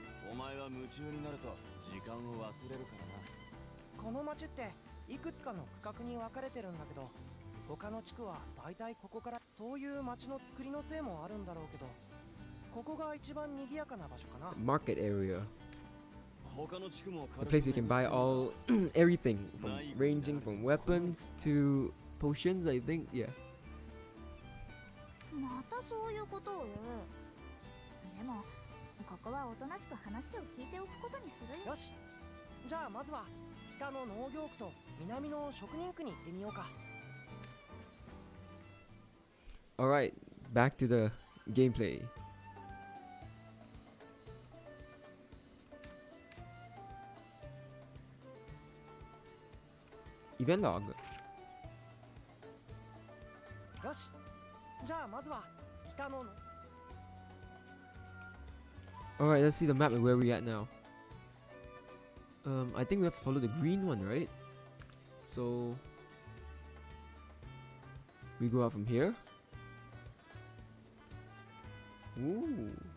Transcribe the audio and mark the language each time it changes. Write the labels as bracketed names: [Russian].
[Japanese] お前は夢中になると時間を忘れるからな。この街っていくつかの区画に分かれてるんだけど、他の地区はだいたいここから。そういう街の作りのせいもあるんだろうけど、ここが一番賑やかな場所かな。マーケットエリア。他の地区も。 [English] A place you can buy all everything, from ranging from weapons to potions, I think. Yeah. [Japanese] またそういうことを言う。でも。ここはおとなしく話を聞いておくことにするよ。よし、じゃあまずは北の農業区と南の職人区に行ってみようか。 [English] Alright, back to the gameplay. Event log. [Japanese] よし、じゃあまずは北の農。 [English] Alright, let's see the map and where we're at now. I think we have to follow the green one, right? So, we go out from here. Ooh.